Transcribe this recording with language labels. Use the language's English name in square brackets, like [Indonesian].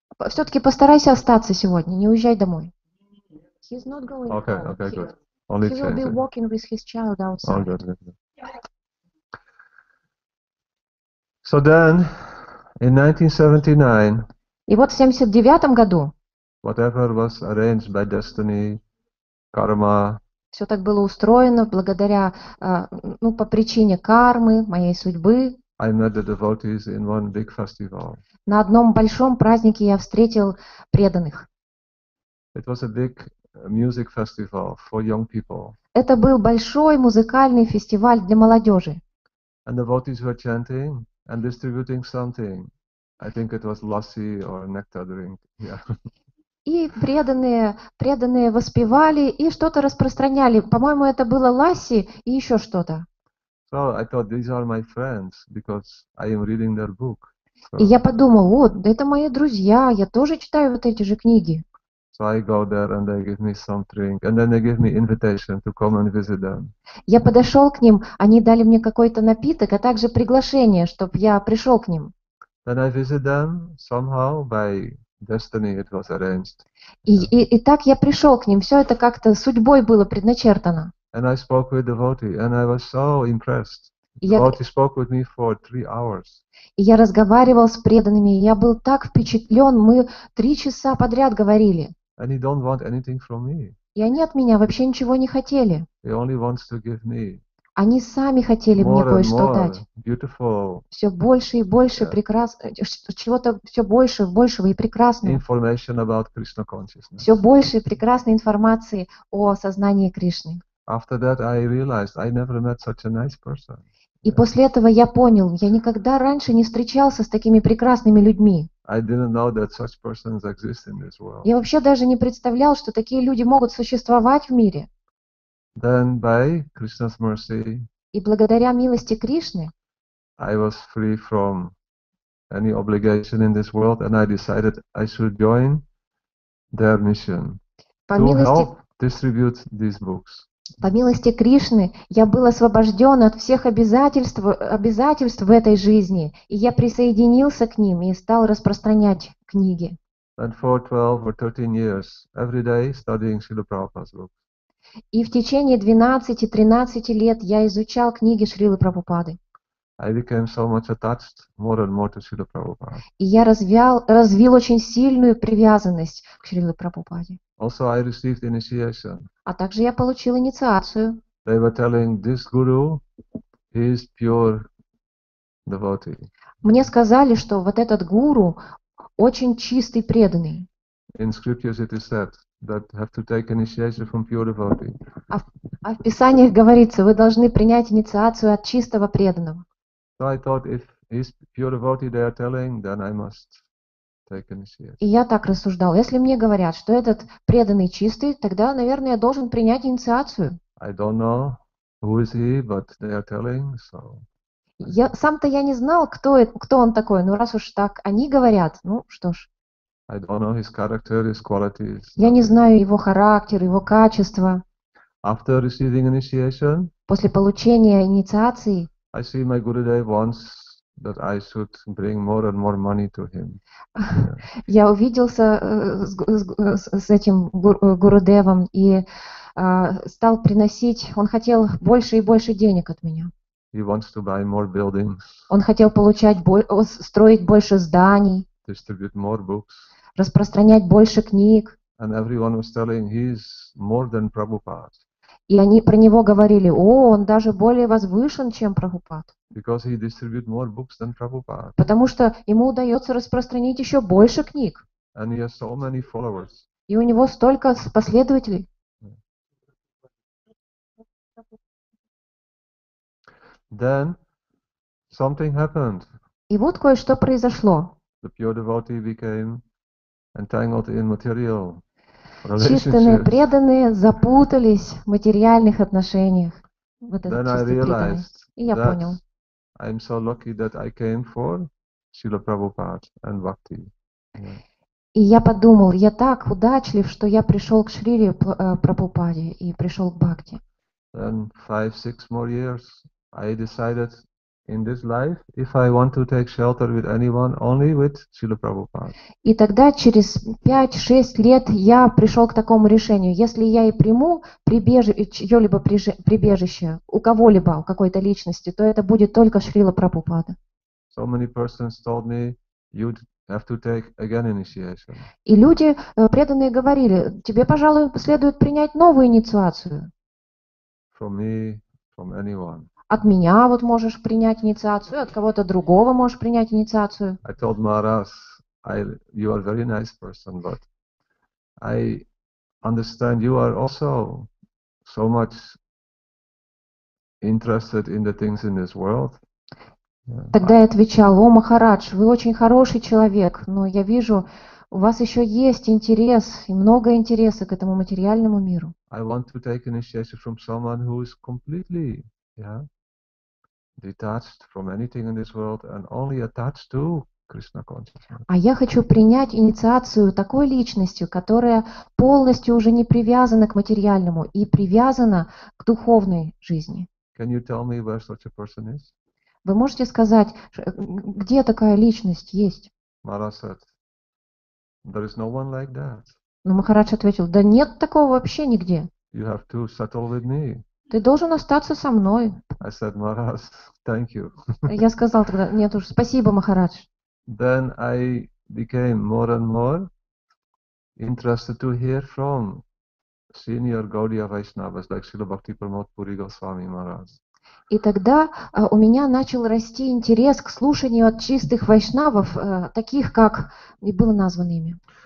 [Russian] Все-таки постарайся остаться сегодня, не уезжай домой. [English] He's not going okay, home. Okay, good. Only he changing. Will be walking with his child outside. Oh, good. So then, in 1979, [Russian] и вот в 79 году [English] whatever was arranged by destiny, karma, [Russian] все так было устроено благодаря, ну, по причине кармы, моей судьбы. [English] I met the devotees in one big festival. [Russian] На одном большом празднике я встретил преданных. [English] It was a big music festival for young people. [Russian] Это был большой музыкальный фестиваль для молодежи. [English] And the devotees were chanting and distributing something. I think it was lassi or nectar drink. Yeah. [Russian] И преданные воспевали и что-то распространяли. По-моему, это было ласси и еще что-то. [English] So I thought these are my friends because I am reading their book. [Russian] И я подумал, вот, это мои друзья, я тоже читаю вот эти же книги. [English] So I go there and they give me some drink and then they give me invitation to come and visit them. [Russian] Я подошел к ним, они дали мне какой-то напиток, а также приглашение, чтобы я пришел к ним. [English] Then I visit them somehow by destiny it was arranged. [Russian] И так я пришел к ним, все это как-то судьбой было предначертано. [English] And I spoke with the devotee and I was so impressed. Devotee spoke with me for 3 hours. [Russian] И я разговаривал с преданными, я был так впечатлен, мы 3 часа подряд говорили. [English] And he don't want anything from me. [Russian] И они от меня вообще ничего не хотели. [English] He only wants to give me. [Russian] Они сами хотели [English] more [Russian] мне кое-что дать. [English] Beautiful. [Russian] Все больше и больше чего-то все больше и большего и прекрасного. [English] Information about Krishna consciousness. [Russian] Все больше и прекрасной информации о сознании Кришны. [English] After that I realized I never met such a nice person. [Russian] И после этого я понял, я никогда раньше не встречался с такими прекрасными людьми. [English] I didn't know that such persons exist in this world. [Russian] Я вообще даже не представлял, что такие люди могут существовать в мире. [English] Then by Krishna's mercy, [Russian] и благодаря милости Кришны, [English] I was free from any obligation in this world and I decided I should join their mission to help distribute these books. [Russian] По милости Кришны я был освобожден от всех обязательств в этой жизни, и я присоединился к ним и стал распространять книги. [English] And for 12 or 13 years, every day studying Śrīla Prabhupāda's book. [Russian] И в течение 12-13 лет я изучал книги Шрилы Прабхупады. [English] I became so much attached more and more to Śrīla Prabhupāda. [Russian] И я развил очень сильную привязанность к Шриле Прабхупаде. [English] Also I received initiation. [Russian] А также я получил инициацию. [English] They were telling this guru is pure devotee. [Russian] Мне сказали, что вот этот гуру очень чистый преданный. [English] In scriptures it is said that have to take initiation from pure devotee. [Russian] А в писаниях говорится, вы должны принять инициацию от чистого преданного. [English] So I thought if he's pure devotee they are telling, then I must take initiation. [Russian] И я так рассуждал. Если мне говорят, что этот преданный чистый, тогда, наверное, я должен принять инициацию. [English] I don't know who is he, but they are telling, so. [Russian] Я сам-то я не знал, кто он такой, но раз уж так они говорят, ну что ж. [English] I don't know his character, his qualities. [Russian] Я не знаю его характер, его качества. [English] After receiving initiation, [Russian] после получения инициации, [English] I see my Gurudev wants that I should bring more and more money to him. [Russian] Я увиделся с этим Гурудевом и стал приносить. Он хотел больше и больше денег от меня. [English] He wants to buy more buildings. [Russian] Он хотел строить больше зданий. [English] Distribute more books. [Russian] Распространять больше книг. [English] And everyone was telling he's more than Prabhupada. [Russian] И они про него говорили, о, он даже более возвышен, чем Прабхупад. [English] Because he distributes more books than Prabhupada. [Russian] Потому что ему удается распространить еще больше книг. [English] And he has so many followers. [Russian] И у него столько последователей. [English] Then something happened. [Russian] И вот кое-что произошло. [English] The pure devotee became entangled in material. [Russian] Чистые преданные запутались в материальных отношениях. Вот этот [English] Then [Russian] чистый [English] I realized [Russian] преданный. И я понял. [English] I'm so lucky that I came for Śrīla Prabhupāda and Bhakti. Yeah. [Russian] И я подумал, я так удачлив, что я пришел к Шриле Прабхупаде и пришел к Бхакти. [English] Then 5-6 more years, I decided in this life, if I want to take shelter with anyone, only with Śrīla Prabhupāda. [Russian] И тогда через 5-6 лет я пришел к такому решению. Если я и приму чье-либо прибежище у кого-либо, у какой-то личности, то это будет только Шрила Прабхупада. [English] So many persons told me you'd have to take again initiation. [Russian] И люди преданные говорили: тебе, пожалуй, следует принять новую инициацию. [English] From me, from anyone. [Russian] От меня вот можешь принять инициацию, от кого-то другого можешь принять инициацию. [English] I told Maharaj, you are a very nice person, but I understand you are also so much interested in the things in this world. [Russian] Тогда я отвечал: о, Махарадж, вы очень хороший человек, но я вижу, у вас еще есть интерес и много интереса к этому материальному миру. [English] I want to take initiation from someone who is completely, yeah, detached from anything in this world and only attached to Krishna consciousness. [Russian] А я хочу принять инициацию такой личностью, которая полностью уже не привязана к материальному и привязана к духовной жизни. [English] Can you tell me where such a person is? [Russian] Вы можете сказать, где такая личность есть? [English] Maharaj said, there is no one like that. [Russian] Но Махарадж ответил: да нет такого вообще нигде. [English] You have to settle with me. [Russian] Ты должен остаться со мной. [English] I said, Maharaj, thank you. [Russian] Я сказал тогда: нет уж, спасибо, Махарадж. [English] Then I became more and more interested to hear from senior Gaudiya Vaishnavas, like Srila Bhakti Pramod Puri Goswami Maharaj. [Russian] И тогда у меня начал расти интерес к слушанию от чистых вайшнавов, таких как и было названо ими.